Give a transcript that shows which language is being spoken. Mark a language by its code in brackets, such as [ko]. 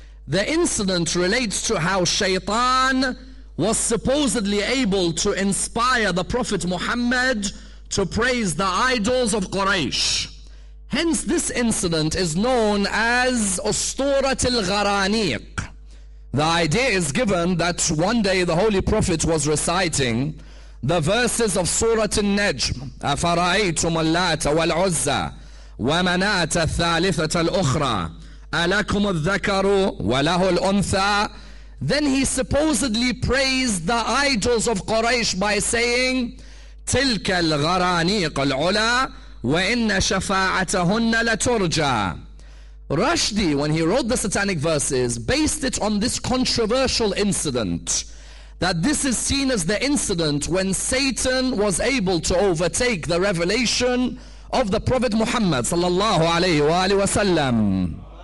[en] The incident relates to how Shaytan was supposedly able to inspire the Prophet Muhammad to praise the idols of Quraysh. Hence, this incident is known as Asturat al-Gharaniq. The idea is given that one day the Holy Prophet was reciting The verses of Surah An-Najm, [ar] أفرأيتم اللات والعزى ومناة الثالثة الأخرى ألكم الذكر وله الأنثى. [en] Then he supposedly praised the idols of Quraysh by saying, [ar] تلك الغرانيق العلا وإن شفاعتهن لترجى. [en] Rushdie, when he wrote the satanic verses, based it on this controversial incident, that this is seen as the incident when Satan was able to overtake the revelation of the Prophet Muhammad sallallahu alayhi wa alayhi wa sallam.